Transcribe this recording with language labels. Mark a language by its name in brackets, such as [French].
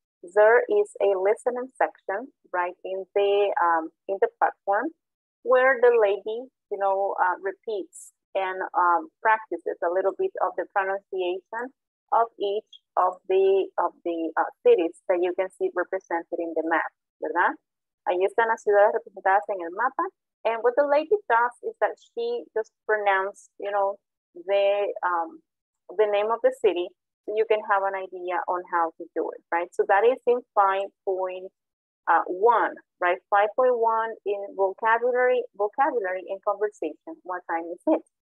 [English] There is a listening section right in the platform where the lady, you know, repeats and practices a little bit of the pronunciation of each of the cities that you can see represented in the map, [Spanish] ¿verdad? Ahí están las ciudades representadas en el mapa. [English] And what the lady does is that she just pronounces, you know, the name of the city, so you can have an idea on how to do it, right? So that is in 5.1, right? 5.1 in vocabulary and conversation. What time is it?